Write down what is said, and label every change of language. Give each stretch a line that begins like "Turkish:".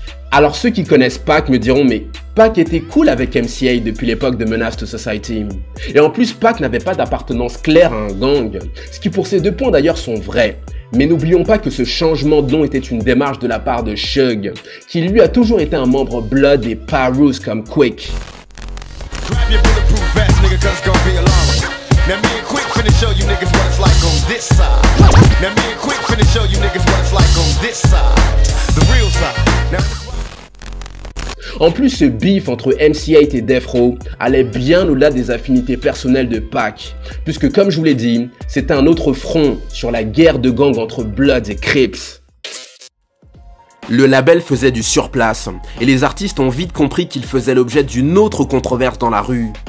French: Alors ceux qui connaissent Pac me diront, mais Pac était cool avec MCA depuis l'époque de Menace to Society. Et en plus, Pac n'avait pas d'appartenance claire à un gang, ce qui pour ces deux points d'ailleurs sont vrais. Mais n'oublions pas que ce changement de nom était une démarche de la part de Suge, qui lui a toujours été un membre Blood et Parous comme Quick.
English: Grab your bulletproof vest, nigga, cause it's gonna be a long one. Now me and Quick finna show you niggas what it's like on this side. Now me and Quick finna show you niggas what it's like on this side. The real side. Now...
French: En plus, ce beef entre MC8 et Death Row allait bien au-delà des affinités personnelles de Pac, puisque comme je vous l'ai dit, c'était un autre front sur la guerre de gang entre Bloods et Crips. Le label faisait du surplace, et les artistes ont vite compris qu'ils faisaient l'objet d'une autre controverse dans la rue.